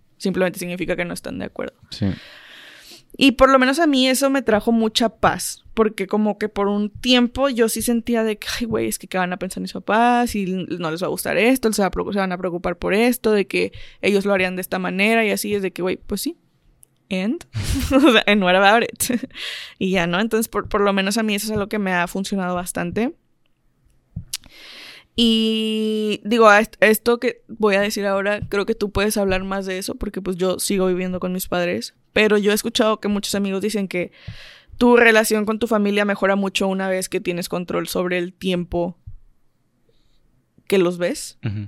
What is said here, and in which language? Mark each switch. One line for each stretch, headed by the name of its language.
Spanish: Simplemente significa que no están de acuerdo. Sí. Y por lo menos a mí eso me trajo mucha paz. Porque como que por un tiempo yo sí sentía de que, ay, güey, es que qué van a pensar mis papás, y no les va a gustar esto, se van a preocupar por esto, de que ellos lo harían de esta manera y así. Es de que, güey, pues sí.
English: and,
Spanish: o sea,
English: and what about it?
Spanish: Y ya, ¿no? Entonces, por lo menos a mí eso es algo que me ha funcionado bastante. Y digo, esto que voy a decir ahora, creo que tú puedes hablar más de eso, porque pues yo sigo viviendo con mis padres, pero yo he escuchado que muchos amigos dicen que tu relación con tu familia mejora mucho una vez que tienes control sobre el tiempo que los ves. Uh-huh.